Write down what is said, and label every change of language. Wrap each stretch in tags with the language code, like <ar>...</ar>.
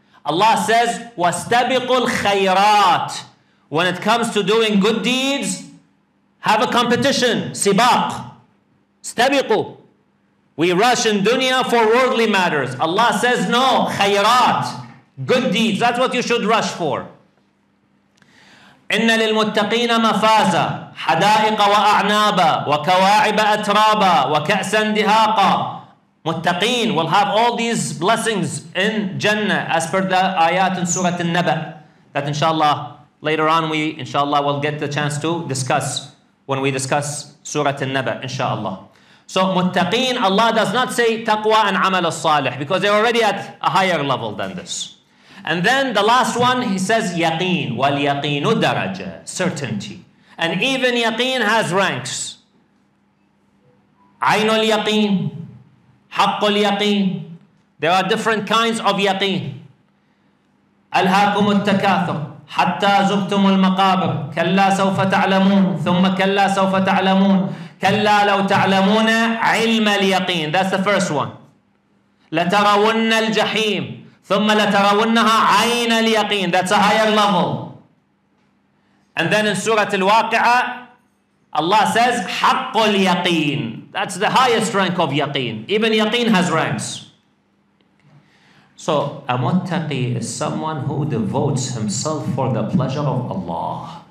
<en>Allah says,</en> <ar>وَاسْتَبِقُوا الْخَيْرَاتِ.</ar> <en>When it comes to doing good deeds, have a competition.</en> <ar>Sibaq. استَبِقُوا.</ar> <en>We rush in dunya for worldly matters. Allah says, no, خَيْرَاتِ. Good deeds, that's what you should rush for.</en> <ar>إن للمتقين مفازا حدائق وأعنابا وكواعب أترابا وكأسا دهاقا.</ar> <en>متقين will have all these blessings in Jannah as per the آيات in سورة النبأ that inshallah later on we inshallah will get the chance to discuss when we discuss سورة النبأ inshallah. So متقين, Allah does not say تقوى and عمل الصالح because they're already at a higher level than this. And then the last one, he says</en> <ar>يقين واليقين درجة,</ar> <en>certainty. And even يقين has ranks.</en> <ar>عين اليقين, حق اليقين.</ar> <en>There are different kinds of يقين.</en> <ar>ألهاكم التكاثر حتى زرتم المقابر كلا سوف تعلمون ثم كلا سوف تعلمون كلا لو تعلمون علم اليقين.</ar> <en>That's the first one.</en> <ar>لترون الجحيم ثم لترونها عين اليقين.</ar> <en>That's a higher level. And then in Surah Al-Waqi'ah, Allah says حق اليقين. That's the highest rank of yaqeen. Even yaqeen has ranks. So a muttaqi is someone who devotes himself for the pleasure of Allah.</en>